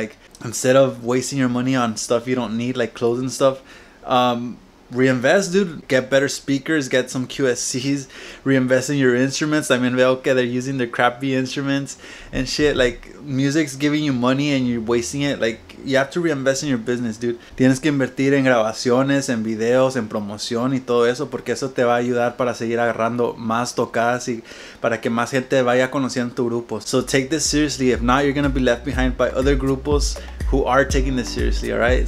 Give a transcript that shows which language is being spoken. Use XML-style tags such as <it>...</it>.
<en>Like, instead of wasting your money on stuff you don't need, like clothes and stuff, reinvest, dude. Get better speakers, get some QSCs, reinvest in your instruments. I mean, okay, they're using their crappy instruments and shit. Like, music's giving you money and you're wasting it. Like, you have to reinvest in your business, dude.</en> <es>Tienes que invertir en grabaciones, en videos, en promoción y todo eso, porque eso te va a ayudar para seguir agarrando más tocadas y para que más gente vaya conociendo tu grupo.</es> <en>So take this seriously. If not, you're gonna be left behind by other grupos who are taking this seriously, all right?</en>